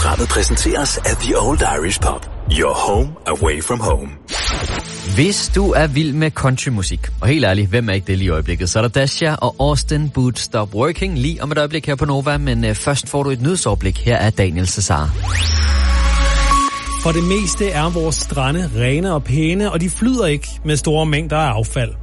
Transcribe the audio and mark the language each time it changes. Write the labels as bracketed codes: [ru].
[da] Præsenteres af The Old Irish Pub. [en] Your home away from home. [da] Hvis du er vild med countrymusik, og helt ærligt, hvem er ikke det lige i øjeblikket, så er der Dasha og Austin Boots Stop Working lige om et øjeblik her på Nova, men først får du et nyhedsoverblik. Her er Daniel Cesar. For det meste er vores strande rene og pæne, og de flyder ikke med store mængder af affald.